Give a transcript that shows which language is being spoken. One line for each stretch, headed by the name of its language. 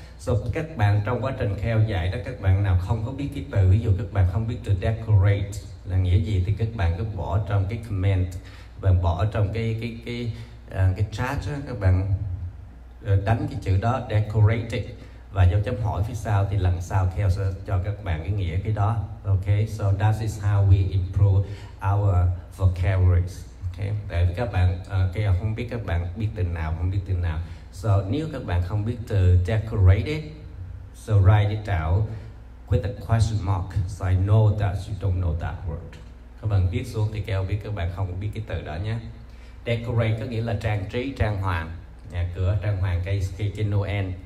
Vietnamese: So các bạn trong quá trình KL dạy đó, các bạn nào không có biết cái từ, ví dụ các bạn không biết từ decorate là nghĩa gì, thì các bạn cứ bỏ trong cái comment và bỏ trong cái chat đó, các bạn đánh cái chữ đó decorated và dấu chấm hỏi phía sau, thì lần sau KL sẽ cho các bạn cái nghĩa cái đó.
English: Okay, so that is how we improve our vocabulary.
Vietnamese: Okay, tại vì các bạn KL không biết, các bạn biết từ nào không biết từ nào.
English: So
Vietnamese: nếu các bạn không biết từ
English: decorated, so write it out with a question mark, so I know that you don't know that word.
Vietnamese: Các bạn viết xuống thì KL biết các bạn không biết cái từ đó nhé. Decorate có nghĩa là trang trí, trang hoàng, nhà cửa, trang hoàng cây Noel.